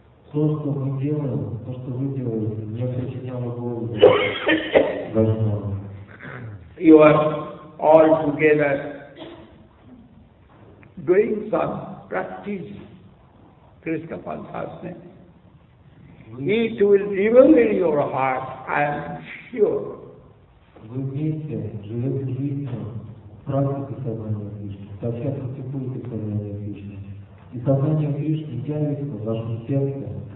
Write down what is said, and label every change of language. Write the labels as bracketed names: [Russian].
[Russian] То, что мы делаем, то, что вы делаете, не причиняло боли Вайшнавам. [English] You are all together doing some practice, Krishna consciousness. It will reveal in your heart, I am sure. [Russian] Вы вместе живете жизнью практики сознания Кришны, сообща практикуете сознание Кришны. И сознание Кришны явится в вашем сердце.